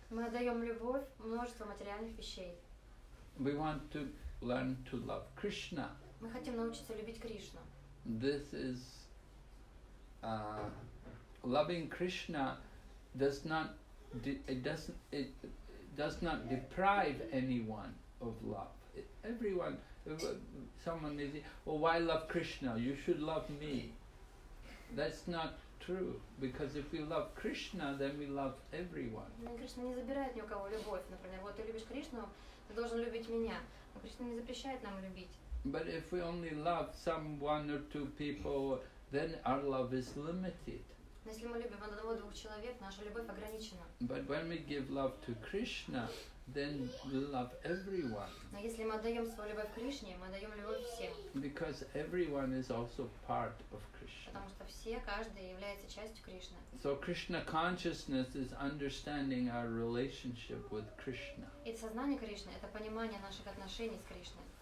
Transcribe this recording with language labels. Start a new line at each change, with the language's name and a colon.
Russian: Мы отдаем любовь множество материальных вещей.
English: We want to learn to love Krishna.
Russian: Мы хотим научиться любить Кришну.
English: This is loving Krishna does not it does not deprive anyone of love. Everyone, someone may say, well, why love Krishna? You should love me. That's not true, because if we love Krishna, then we love everyone.
Russian: Кришна не забирает ни у кого любовь. Например, вот ты любишь Кришну, ты должен любить меня. Но Кришна не запрещает нам любить.
English: But if we only love someone or two people, then our love is limited.
Russian: Если мы любим одного двух человек, наша любовь ограничена.
English: But when we give love to Krishna, then we love everyone.
Russian: Но если мы отдаем свою любовь Кришне, мы отдаем любовь всем.
English: Because everyone is also part of Krishna.
Russian: Потому что все, каждый является частью Кришны.
English: So Krishna consciousness is understanding our relationship with Krishna.
Russian: И сознание Кришны это понимание наших отношений с Кришной.